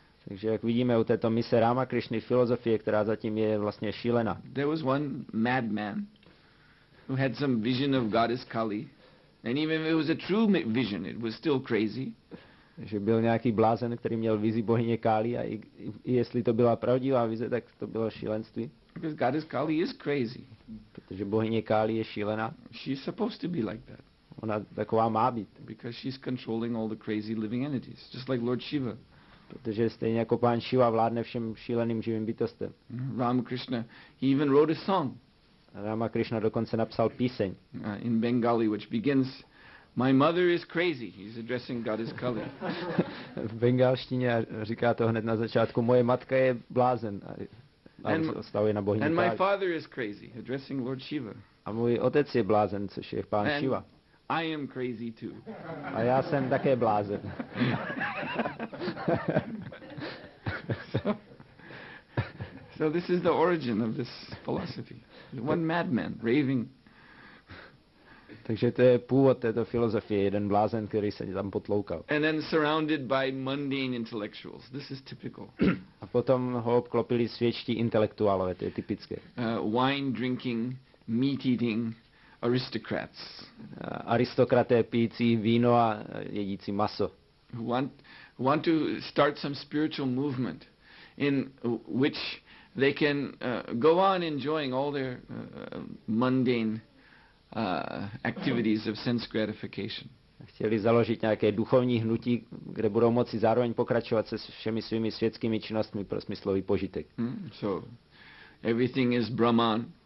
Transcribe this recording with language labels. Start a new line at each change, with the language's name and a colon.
Czech: Takže jak vidíme u této mise Ramakrishny, filozofie, která zatím je vlastně šílená.
English: There was one madman who had some vision of goddess Kali. And even if it was a true vision, it was still crazy.
Czech: Že byl nějaký blázen, který měl vizi bohyně Kali, a i jestli to byla pravdivá vize, tak to bylo šílenství.
English: Because goddess Kali is crazy.
Czech: Protože bohyně Kali je šílená.
English: She's supposed to be like that.
Czech: Ona taková má být.
English: Because she's controlling all the crazy living entities, just like Lord Shiva.
Czech: Protože stejně jako pán Shiva vládne všem šíleným živým bytostem.
English: Ramakrishna, he even wrote a song.
Czech: Ramakrishna dokonce napsal píseň.
English: In Bengali, which begins, "My mother is crazy." He's addressing goddess Kali.
Czech: V bengalštině říká to hned na začátku. Moje matka je blázen.
English: And my father is crazy, addressing Lord Shiva.
Czech: A můj otec je blázen, což je pán Shiva.
English: I am crazy too.
Czech: A já jsem také blázen.
English: So this is the origin of this philosophy. One madman raving.
Czech: Takže to je původ této filozofie, jeden blázen, který se tam potloukal.
English: And then surrounded by mundane intellectuals. This is typical.
Czech: A potom ho obklopili světští intelektuálové, to je typické.
English: Wine drinking, meat eating aristocrats.
Czech: Aristokraté pijící víno a jedící maso.
English: Want to start some spiritual movement in which they can go on enjoying all their mundane activities of sense gratification.
Czech: Chtěli založit nějaké duchovní hnutí, kde budou moci zároveň pokračovat se všemi svými světskými činnostmi pro smyslový požitek.
English: So everything is Brahman.